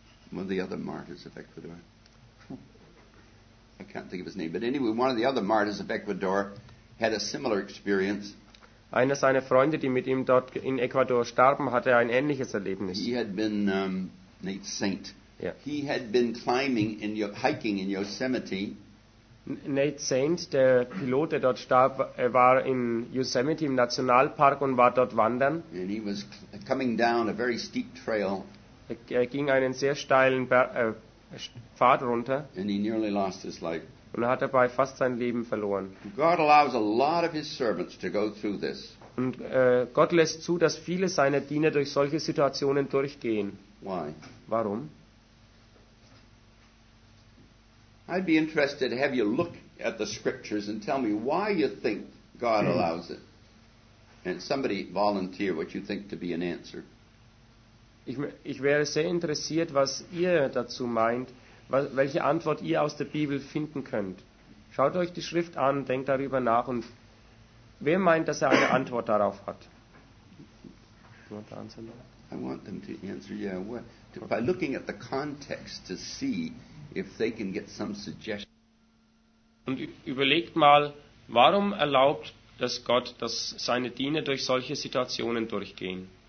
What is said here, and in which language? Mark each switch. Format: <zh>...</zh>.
<en>One of the other martyrs of Ecuador. I can't think of his name, but anyway, one of the other martyrs of Ecuador had a similar experience.</en> <de>Einer seiner Freunde, die mit ihm dort in Ecuador starben, hatte ein ähnliches Erlebnis.</de> <en>He had been Nate Saint. Yeah. He had been climbing in hiking in Yosemite.</en> <de>Nate Saint, der Pilot, der dort starb, war in Yosemite im Nationalpark und war dort wandern.</de> <en>And he was coming down a very steep trail.</en> <de>Er ging einen sehr steilen Pfad runter.</de> <en>And he nearly lost his life.</en> <de>Und er hat dabei fast sein Leben verloren.</de> <en>God allows a lot of his servants to go through this.</en> <de>Und Gott lässt zu, dass viele seiner Diener durch solche Situationen durchgehen.</de> <en>Why?</en> <de>Warum?</de> <en>I'd be interested to have you look at the scriptures and tell me why you think God allows it. And somebody volunteer what you think to be an answer.</en> <de>Ich wäre sehr interessiert, was ihr dazu meint, welche Antwort ihr aus der Bibel finden könnt. Schaut euch die Schrift an, denkt darüber nach und wer meint, dass er eine Antwort darauf hat?</de> <en>You want to answer that? I want them to answer, yeah. By looking at the context to see if they can get some suggestion.</en> <de>Und überlegt mal, warum erlaubt das Gott, dass seine Diener durch solche Situationen durchgehen?</de>